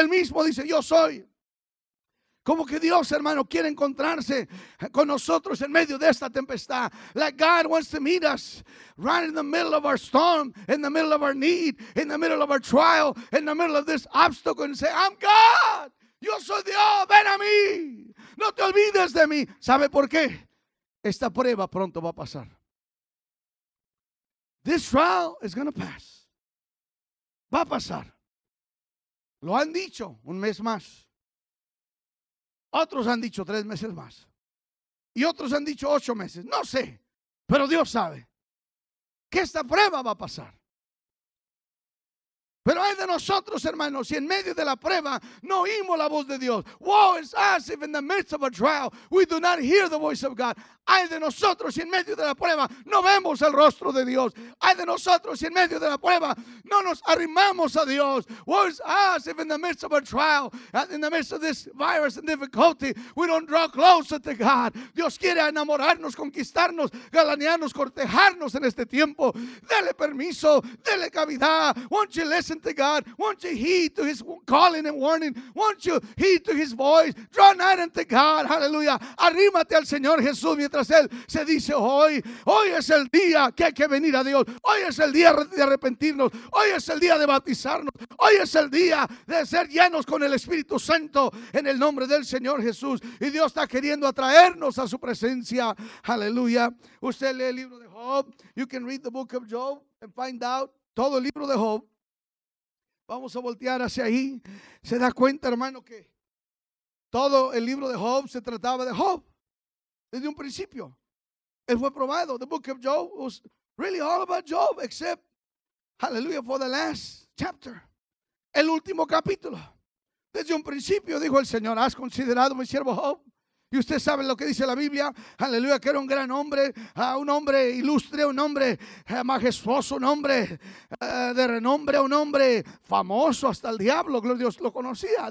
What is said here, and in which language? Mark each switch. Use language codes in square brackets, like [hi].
[es] El mismo dice, yo soy. Como que Dios, hermano, quiere encontrarse con nosotros en medio de esta tempestad. [en] Like God wants to meet us right in the middle of our storm, in the middle of our need, in the middle of our trial, in the middle of this obstacle, and say, I'm God. [es] Yo soy Dios. Ven a mí. No te olvides de mí. ¿Sabe por qué? Esta prueba pronto va a pasar. [en] This trial is going to pass. [es] Va a pasar. Lo han dicho un mes más. Otros han dicho 3 meses más. Y otros han dicho 8 meses. No sé, pero Dios sabe que esta prueba va a pasar. Pero hay de nosotros, hermanos, si en medio de la prueba no oímos la voz de Dios. [en] Woe is us if in the midst of a trial we do not hear the voice of God. [es] Hay de nosotros si en medio de la prueba no vemos el rostro de Dios. Hay de nosotros si en medio de la prueba no nos arrimamos a Dios. [en] Woe is us if in the midst of a trial, in the midst of this virus and difficulty, we don't draw closer to God. [es] Dios quiere enamorarnos, conquistarnos, galanearnos, cortejarnos en este tiempo. Dele permiso, dele cavidad. [en] Won't you listen to God? Won't you heed to his calling and warning? Won't you heed to his voice? Draw nigh unto God. Hallelujah. [es] Arrímate al Señor Jesús mientras él se dice hoy. Hoy es el día que hay que venir a Dios. Hoy es el día de arrepentirnos. Hoy es el día de bautizarnos. Hoy es el día de ser llenos con el Espíritu Santo en el nombre del Señor Jesús. Y Dios está queriendo atraernos a su presencia. Hallelujah. Usted lee el libro de Job. [en] You can read the book of Job and find out [es] todo el libro de Job. Vamos a voltear hacia ahí. Se da cuenta, hermano, que todo el libro de Job se trataba de Job. Desde un principio. Él fue probado. [en] The book of Job was really all about Job, except, hallelujah, for the last chapter. [es] El último capítulo. Desde un principio, dijo el Señor, ¿has considerado mi siervo Job? Y usted sabe lo que dice la Biblia, aleluya, que era un gran hombre, un hombre ilustre, un hombre majestuoso, un hombre de renombre, un hombre famoso, hasta el diablo, gloria a Dios, lo conocía.